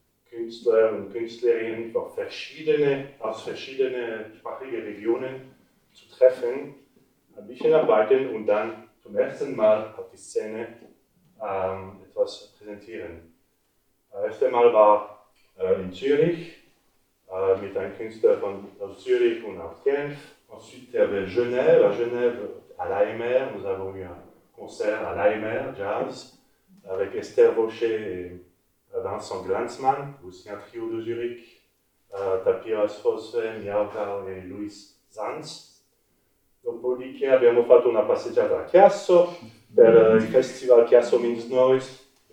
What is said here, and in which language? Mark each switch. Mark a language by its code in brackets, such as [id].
[de] Künstler und Künstlerinnen aus verschiedenen sprachigen Regionen zu treffen, ein bisschen arbeiten und dann zum ersten Mal auf die Szene etwas präsentieren. Das erste Mal war in Zürich mit einem Künstler aus Zürich und aus Genf. [fr] Ensuite, il y avait Genève, à Genève, à l'AMR, nous avons eu un concert à l'AMR, jazz, avec Esther Vaucher et Vincent Glanzmann, aussi un trio de Zurich, Tapiras Fosfen, Yaukar et Louis Zanz. [it] Dopodiché, abbiamo fatto una passeggiata a Chiasso per il festival Chiasso Means Noise.